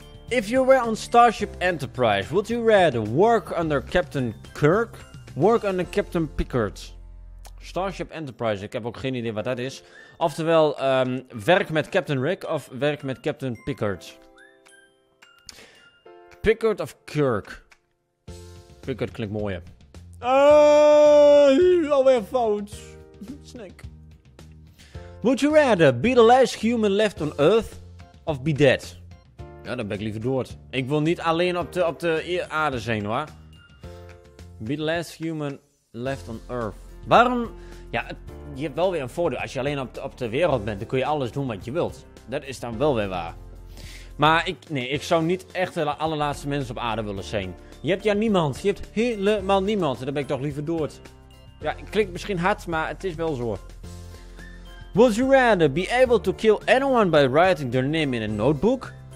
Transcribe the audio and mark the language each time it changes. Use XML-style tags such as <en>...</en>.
<en>If you were on Starship Enterprise, would you rather work under Captain Kirk? Work under Captain Picard.</en> <nl>Starship Enterprise, ik heb ook geen idee wat dat is. Oftewel, werk met Captain Rick of werk met Captain Picard? Picard of Kirk? Picard klinkt mooier. Alweer fout. Snack.</nl> <en>Would you rather be the last human left on Earth of be dead?</en> <nl>Ja, dan ben ik liever dood. Ik wil niet alleen op de aarde zijn, hoor.</nl> <en>Be the last human left on Earth.</en> <nl>Waarom? Ja, je hebt wel weer een voordeel. Als je alleen op de wereld bent, dan kun je alles doen wat je wilt. Dat is dan wel weer waar. Maar ik zou niet echt de allerlaatste mens op aarde willen zijn. Je hebt ja niemand. Je hebt helemaal niemand. Dan ben ik toch liever dood. Ja, het klinkt misschien hard, maar het is wel zo.</nl> <en>Would you rather be able to kill anyone by writing their name in a notebook?</en>